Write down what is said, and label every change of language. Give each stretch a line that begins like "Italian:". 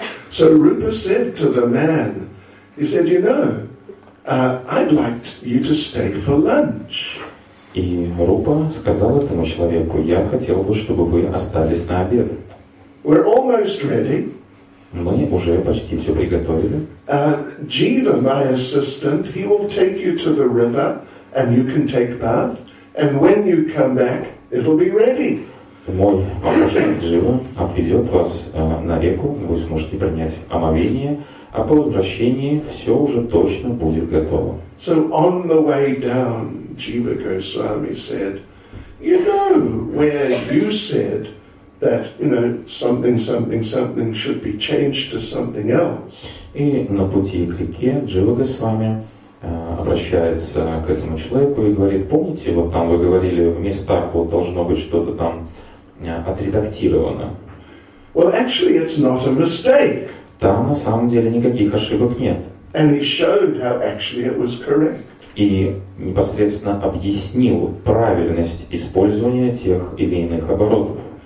English: So Rupa said to the man, he said, you know, I'd like you to stay for lunch.
Russian: И Рупа сказал этому человеку, я хотел бы, чтобы вы остались на обед.
English: We're almost ready.
Russian: Мы уже почти все приготовили.
English: Jiva, my assistant, he will take you to the river, and you can take bath. And when you come back, it'll be ready.
Russian: Мой Махашанджива отведет вас на реку, вы сможете принять омовение, а по возвращении все уже точно будет готово.
English: So on the way down, Jiva Goswami said, you know where you said that, you know, something, something, something should be changed to something else.
Russian: И на пути к реке Джива Госвами обращается к этому человеку и говорит, помните, вот там вы говорили, в местах вот должно быть что-то там отредактировано.
English: Well, actually, it's not a mistake.
Russian: Там на самом деле никаких ошибок нет.
English: And he showed how actually it was correct.
Russian: И непосредственно объяснил правильность использования тех или иных оборотов.